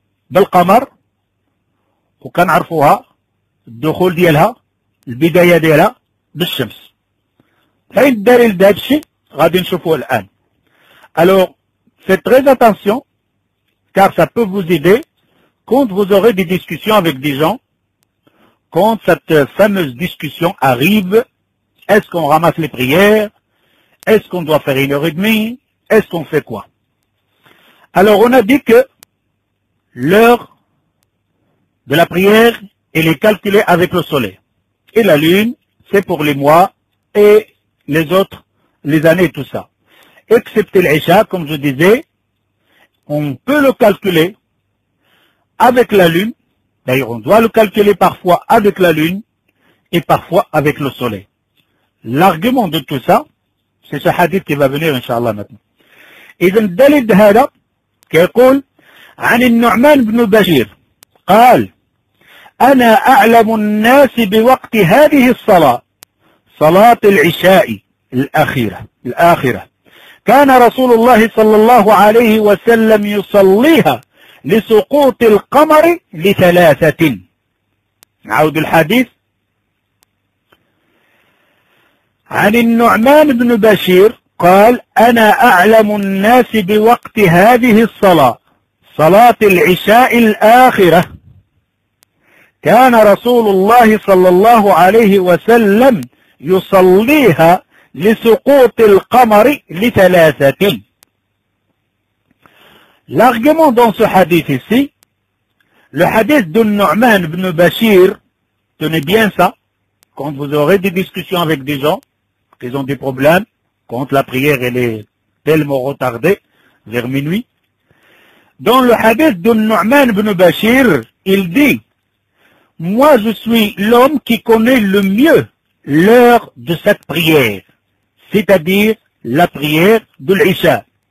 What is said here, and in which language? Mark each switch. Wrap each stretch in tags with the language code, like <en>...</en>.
<ar>بالقمر وكنعرفوها الدخول ديالها البدايه ديالها بالشمس فين الدليل لهذا الشيء غادي نشوفوه الان</ar> <fr>الوغ سي تري اتونسيون car ça peut vous aider quand vous aurez des discussions avec des gens, quand cette fameuse discussion arrive, est-ce qu'on ramasse les prières, est-ce qu'on doit faire une heure et demie, est-ce qu'on fait quoi? Alors on a dit que l'heure de la prière, elle est calculée avec le soleil, et la lune, c'est pour les mois et les autres, les années et tout ça. Excepté l'Isha, comme je disais, on peut le calculer avec la lune, d'ailleurs on doit le calculer parfois avec la lune et parfois avec le soleil. L'argument de tout ça, c'est ce hadith qui va venir inshallah maintenant. Et le dalil de hada qui dit</fr> <ar>عن النعمان بن بشير قال انا اعلم الناس بوقت هذه الصلاه صلاه العشاء الاخره كان رسول الله صلى الله عليه وسلم يصليها لسقوط القمر لثلاثة نعود الحديث عن النعمان بن بشير قال أنا أعلم الناس بوقت هذه الصلاة صلاة العشاء الآخرة كان رسول الله صلى الله عليه وسلم يصليها لسقوط القمر لثلاثة.</ar> <fr>L'argument dans ce hadith ici, le hadith d'Un-Nu'man ibn Bashir, tenez bien ça, quand vous aurez des discussions avec des gens qui ont des problèmes, quand la prière elle est tellement retardée, vers minuit, dans le hadith d'Un-Nu'man ibn Bashir, il dit, moi je suis l'homme qui connaît le mieux l'heure de cette prière, c'est-à-dire la prière de l'Isha.</fr>